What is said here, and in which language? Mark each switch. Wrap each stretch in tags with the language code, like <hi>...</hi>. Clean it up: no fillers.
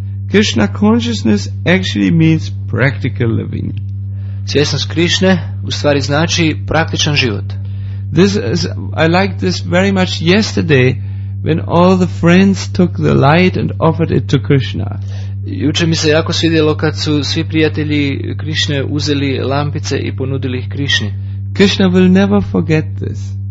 <en>Krishna consciousness actually means practical living.</en> <hr>Svjesnost Krišne u stvari znači praktičan život.</hr> <en>This is, I liked this very much yesterday when all the friends took the light and offered it to Krishna.</en> <hr>Jučer mi se jako svidjelo kad su svi prijatelji Krišne uzeli lampice i ponudili ih Krišni.</hr> <en>Krishna will never forget this.</en>